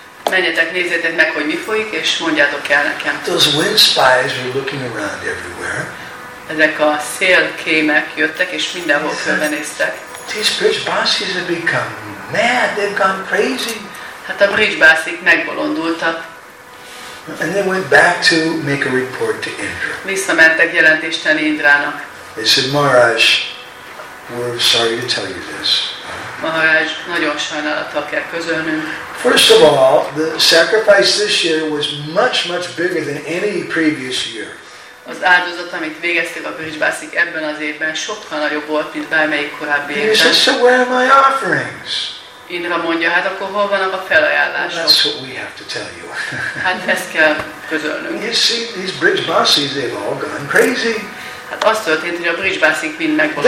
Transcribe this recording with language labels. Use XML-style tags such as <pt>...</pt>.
<hu>Menjetek, nézzétek meg, hogy mi folyik, és mondjátok el nekem.</hu> <en>Those wind spies were looking around everywhere.</en> <hu>Ezek a szélkémek jöttek, és mindenhol körbenéztek.</hu> <en>These bridge bossies have become mad. They've gone crazy.</en> <hu>Hát a bridge bossik megbolondultak.</hu> <en>And they went back to make a report to Indra.</en> <hu>Visszamentek jelentést tenni Indrának.</hu> <en>They said, Maharaj, we're sorry to tell you this.</en> <hu>Maharaj, nagyon sajnálattal kell közölnünk.</hu> <en>First of all, the sacrifice this year was much, much bigger than any previous year.</en> <hu>Az áldozat, amit végeztek a Brijbasik ebben az évben, sokkal nagyobb volt, mint bármelyik korábbi évben.</hu> <en>He says, so where are my offerings?</en> <hu>Indra mondja, hát akkor hol vannak a felajánlások?</hu> <en>That's what we have to tell you.</en> <hu>Hát ezt kell közölnünk.</hu> <en>You see, these Brijbasis, they've all gone crazy.</en> <hu>Hát azt történt, hogy a Brijbasik mind megvolt.</hu>